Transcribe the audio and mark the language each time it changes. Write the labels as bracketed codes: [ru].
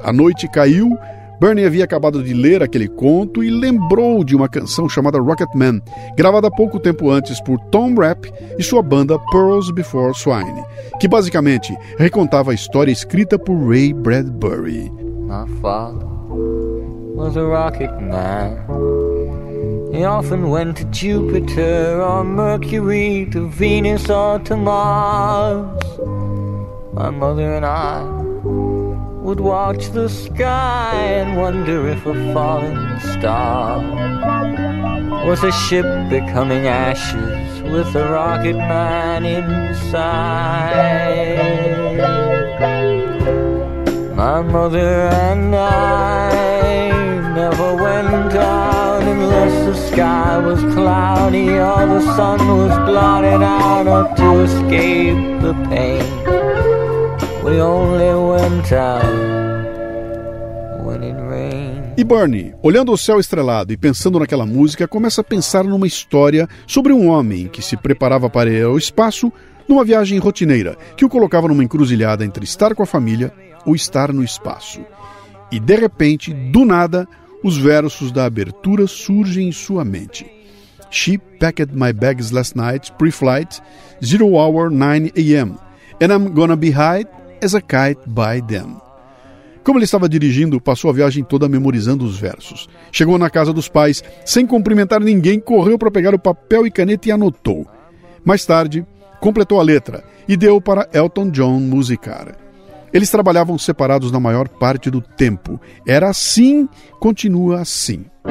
[pt] A noite caiu, Bernie havia acabado de ler aquele conto e lembrou de uma canção chamada Rocket Man, gravada pouco tempo antes por Tom Rapp e sua banda Pearls Before Swine, que basicamente recontava a história escrita por Ray Bradbury. [en] My father was a rocket man. He often went to Jupiter or Mercury, to Venus or to Mars. My mother and I would watch the sky and wonder if a falling star was a ship becoming ashes with a rocket man inside. My mother and I never went down unless the sky was cloudy or the sun was blotted out, or to escape the pain. We only went out when it rained. [pt] E Bernie, olhando o céu estrelado e pensando naquela música, começa a pensar numa história sobre um homem que se preparava para ir ao espaço numa viagem rotineira, que o colocava numa encruzilhada entre estar com a família ou estar no espaço. E de repente, do nada, os versos da abertura surgem em sua mente. [en] She packed my bags last night, pre-flight, 0:09 a.m. And I'm gonna be high as a kite by them. [pt] Como ele estava dirigindo, passou a viagem toda memorizando os versos. Chegou na casa dos pais, sem cumprimentar ninguém, correu para pegar o papel e caneta e anotou. Mais tarde, completou a letra e deu para Elton John musicar. Eles trabalhavam separados na maior parte do tempo. Era assim, continua assim.